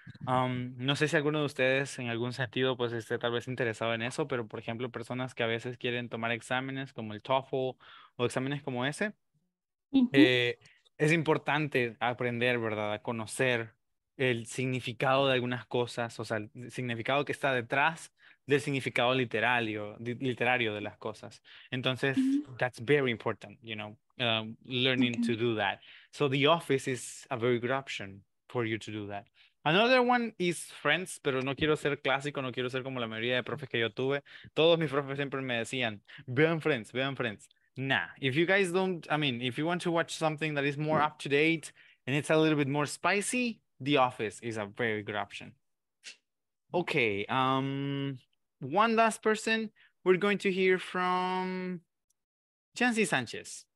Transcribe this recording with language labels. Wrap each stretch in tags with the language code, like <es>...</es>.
<es>No sé si alguno de ustedes en algún sentido pues esté tal vez interesado en eso, pero por ejemplo, personas que a veces quieren tomar exámenes como el TOEFL o exámenes como ese, es importante aprender, ¿verdad? A conocer el significado de algunas cosas, o sea, el significado que está detrás del significado literario, literario de las cosas. Entonces,</es> <en>that's very important, you know, learning to do that. So The Office is a very good option for you to do that. Another one is Friends,</en> <es>pero no quiero ser clásico, no quiero ser como la mayoría de profes que yo tuve. Todos mis profes siempre me decían, vean Friends, vean Friends.</es> <en>Nah, if you guys don't, I mean, if you want to watch something that is more up to date and it's a little bit more spicy, The Office is a very good option. Okay, one last person we're going to hear from, Jancy Sanchez.</en>